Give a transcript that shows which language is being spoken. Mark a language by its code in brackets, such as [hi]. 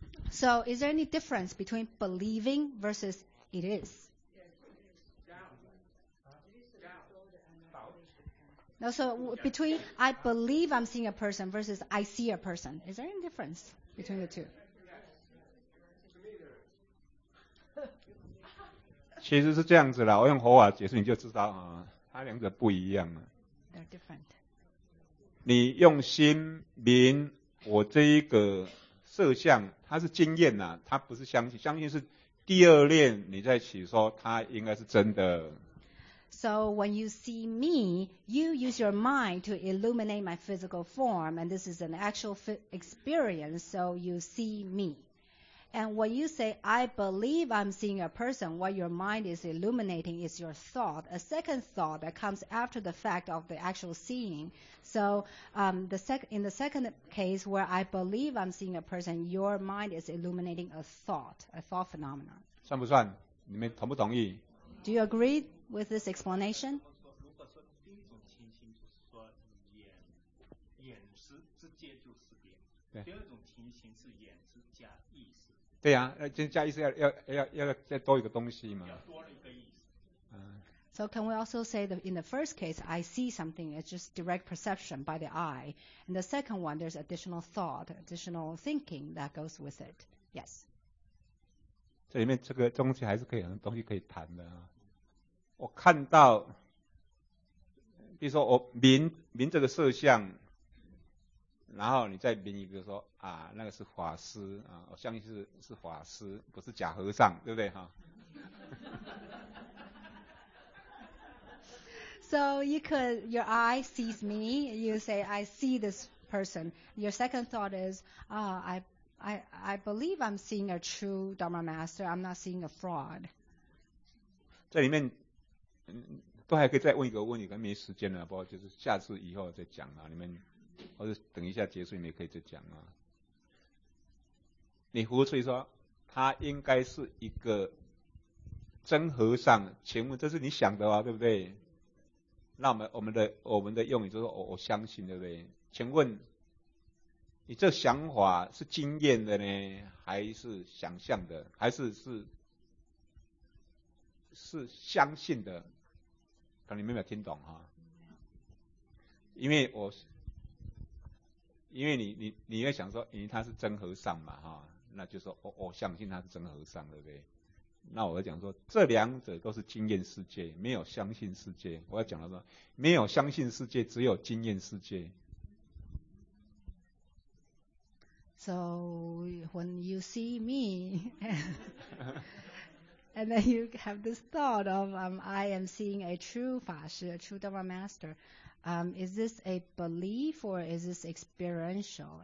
[en] So is there any difference between believing versus it is? No, so between I believe I'm seeing a person versus I see a person, is there any difference between the two? [zh] 其实是这样子啦，我用佛法解释你就知道啊，它两者不一样啊。 [en] They're different. [zh] 你用心明我这一个色相它是经验啊，它不是相信，相信是第二念你在起说它应该是真的。 [en] So when you see me, you use your mind to illuminate my physical form, and this is an actual experience, so you see me. And when you say, I believe I'm seeing a person, what your mind is illuminating is your thought, a second thought that comes after the fact of the actual seeing. So in the second case where I believe I'm seeing a person, your mind is illuminating a thought phenomenon. [zh] 算不算？你们同不同意？ [en] Do you agree with this explanation? [zh] 如果说第一种情形就是说眼直接就识别，第二种情形是眼直加意识。对呀、啊，就加意思要再多一个东西嘛。要多了一个意思。 [en] So can we also say that in the first case, I see something, it's just direct perception by the eye. In the second one, there's additional thought, additional thinking that goes with it. Yes. [zh] 这里面这个东西还是可以，东西可以谈的、啊、我看到，比如说我明这个色相。然后你再明一个说啊，那个是法师啊，我相信是法师，不是假和尚，对不对哈、啊、 [en] ？So you could your eye sees me, you say I see this person. Your second thought is I believe I'm seeing a true Dharma master. I'm not seeing a fraud. [zh] 这里面都还可以再问一个问题，可能没时间了，不过就是下次以后再讲啊，你们。或者等一下结束你们可以再讲啊。你胡吹说他应该是一个真和尚，请问这是你想的啊，对不对？那我们的用语就是说 我相信，对不对？请问你这想法是经验的呢，还是想象的，还是相信的？可能你们没有听懂啊，因为我因为你会想说，因为他是真和尚嘛，哈，那就说我相信他是真和尚，对不对？那我讲说，这两者都是经验世界，没有相信世界。我要讲到说，没有相信世界，只有经验世界。 [en] So when you see me, and then you have this thought of I am seeing a true 法师 a true Dharma master. Is this a belief or is this experiential?